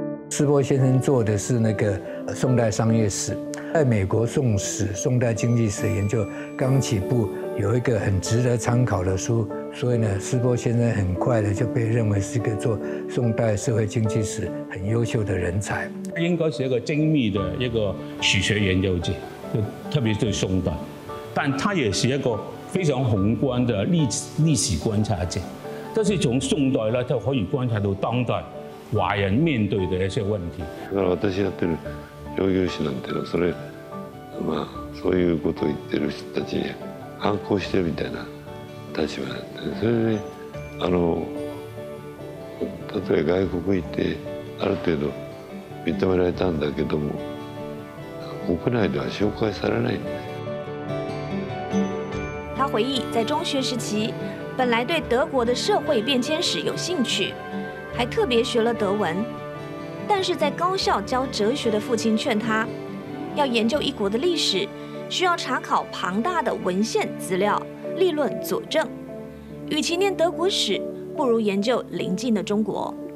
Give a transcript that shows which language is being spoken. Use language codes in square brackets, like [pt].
[zh] 斯波先生做的是那个宋代商业史，在美国宋史、宋代经济史研究刚起步，有一个很值得参考的书，所以呢，斯波先生很快的就被认为是一个做宋代社会经济史很优秀的人才。应该是一个精密的一个史学研究者，就特别对宋代，但他也是一个非常宏观的历史观察者，但是从宋代呢，就可以观察到当代华人面对的一些问题。 [ja] だから私やってる商業史なんていうのはそれ、まあそういうことを言ってる人たちに反抗してるみたいな立場なんで、それで例えば外国行ってある程度認められたんだけども、国内では紹介されないんです。 [zh] 他回忆，在中学时期，本来对德国的社会变迁史有兴趣，还特别学了德文，但是在高校教哲学的父亲劝他，要研究一国的历史，需要查考庞大的文献资料、立论佐证，与其念德国史，不如研究邻近的中国。